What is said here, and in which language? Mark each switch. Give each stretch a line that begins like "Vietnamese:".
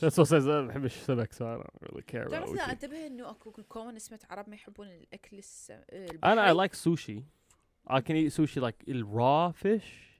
English: That's what says. I don't like
Arabic: سمك,
English: so I don't really care.
Arabic: تعرف لا انتبه إنه أكو كومن اسمه عرب ما يحبون الأكل أنا
English: I like sushi. I can eat sushi like the raw fish.